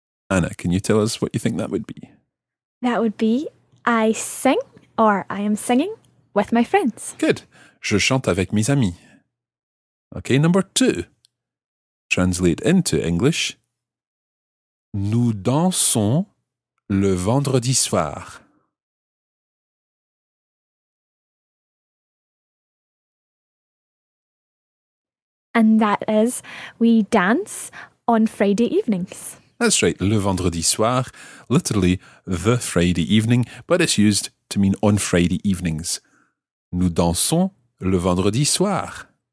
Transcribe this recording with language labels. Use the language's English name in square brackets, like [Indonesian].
[English] Anna, can you tell us what you think that would be? That would be, I sing, or I am singing with my friends. Good. [French] Je chante avec mes amis. [English] Okay, number two. Translate into English. [French] Nous dansons le vendredi soir. [English] And that is, we dance on Friday evenings. That's right, [French] le vendredi soir, [English] literally the Friday evening, but it's used to mean on Friday evenings. [French] Nous dansons le vendredi soir.